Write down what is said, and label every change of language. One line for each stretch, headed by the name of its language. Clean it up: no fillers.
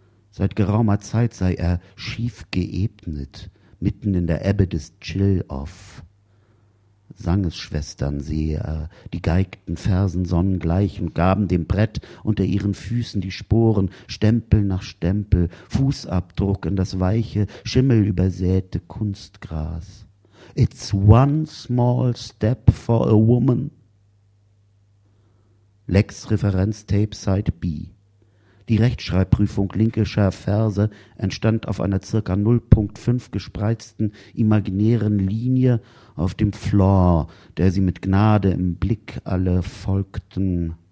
German: Seit geraumer Zeit sei er schief geebnet, mitten in der Ebbe des Chill-Off. Sangesschwestern sehe, die geigten Fersen sonnengleich und gaben dem Brett unter ihren Füßen die Sporen, Stempel nach Stempel, Fußabdruck in das weiche, schimmelübersäte Kunstgras.
English: It's one small step for a woman.
German: Lex Referenz Tape Side B. Die Rechtschreibprüfung linkischer Verse entstand auf einer circa 0,5 gespreizten imaginären Linie auf dem Floor, der sie mit Gnade im Blick alle folgten.